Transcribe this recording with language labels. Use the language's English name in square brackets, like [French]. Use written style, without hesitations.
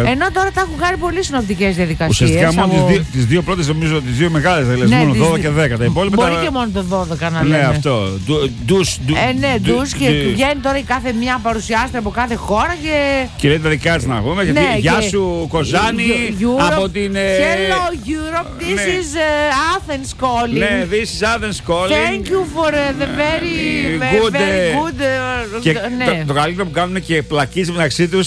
[Greek] Ενώ τώρα τα έχουν κάνει πολύ συνοπτικές διαδικασίες. Ουσιαστικά μόνο τις δύο πρώτες, νομίζω, τις δύο μεγάλες θα λες. Ναι, μόνο 12 και 10. Μπορεί και μόνο το 12 να λένε. Ναι, αυτό. Ντους. Ναι, ντους και βγαίνει τώρα η κάθε μία παρουσιάστρια από κάθε χώρα και. Δικά της να πούμε, γιατί ναι, γεια σου Κοζάνη Europe, από την [English] Hello Europe, this is Athens calling. Ναι, this is Athens calling. Thank you for the very good, very good [Greek] και ναι. Το καλύτερο που κάνουν και πλακίζει μεταξύ τους.